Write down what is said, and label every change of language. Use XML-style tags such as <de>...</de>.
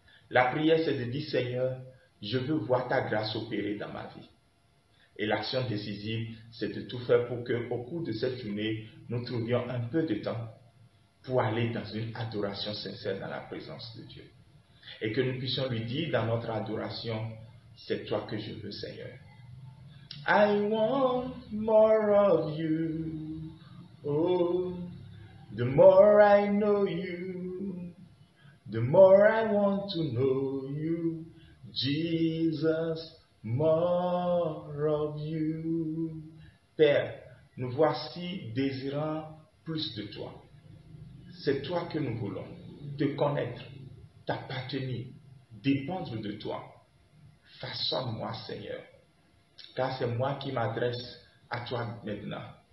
<fr>La prière, c'est de dire « Seigneur, je veux voir ta grâce opérer dans ma vie. » Et l'action décisive, c'est de tout faire pour qu'au cours de cette journée, nous trouvions un peu de temps pour aller dans une adoration sincère dans la présence de Dieu. Et que nous puissions lui dire dans notre adoration, c'est toi que je veux, Seigneur.</fr> <en>I want more of you, oh, the more I know you, the more I want to know you, Jesus, more of you.</en> <fr>Père, nous voici désirant plus de toi. C'est toi que nous voulons, te connaître, t'appartenir, dépendre de toi. Façonne-moi, Seigneur, car c'est moi qui m'adresse à toi maintenant.</fr>